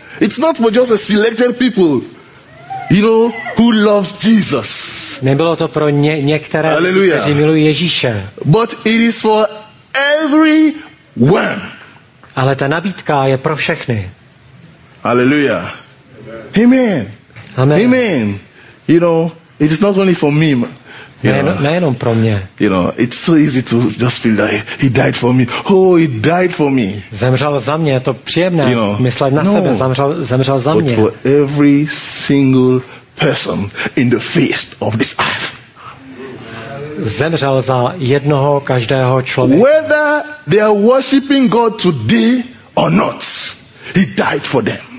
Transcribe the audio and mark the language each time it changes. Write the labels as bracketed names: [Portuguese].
[English] It's not for just a selected people. You know who loves Jesus. [Czech] Nebylo to pro některé, kteří milují Ježíše. [English] But it is for everyone. [Czech] Ale ta nabídka je pro všechny. Hallelujah. Amen. Amen. Amen. [English] You know, it is not only for me. [Czech] Nejenom pro mě. [English] You know, it's so easy to just feel that he died for me. Oh, he died for me. [Czech] Zemřel za mě, je to příjemné. [English] You know, [Czech] myslet na sebe, zemřel za mě. [English] But for every single person in the face of this earth. [Czech] Zemřel za jednoho každého člověka. [English] Whether they are worshiping God today or not, he died for them.